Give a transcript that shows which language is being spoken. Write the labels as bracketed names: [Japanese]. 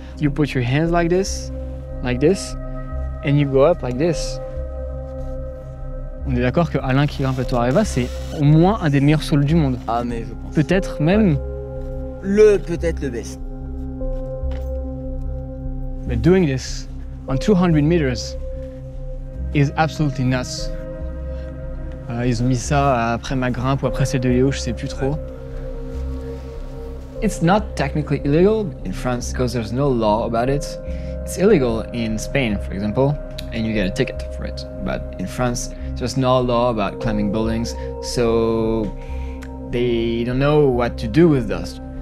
[English] You put your hands like this, and you go up like this. [French] On est d'accord que Alain qui grimpe à Tour Areva, c'est au moins un des meilleurs solos du monde. Ah, mais je pense. Peut-être même. Ouais. Le, peut-être le best. [English] But doing this on 200 meters is absolutely nuts. [French] Ils ont mis ça après ma grimpe ou après celle de Léo, je sais plus trop. [English] It's not technically illegal in France because there's no law about it. It's illegal in Spain, for example, and you get a ticket for it. But in France, there's no law about climbing buildings, so they don't know what to do with dust.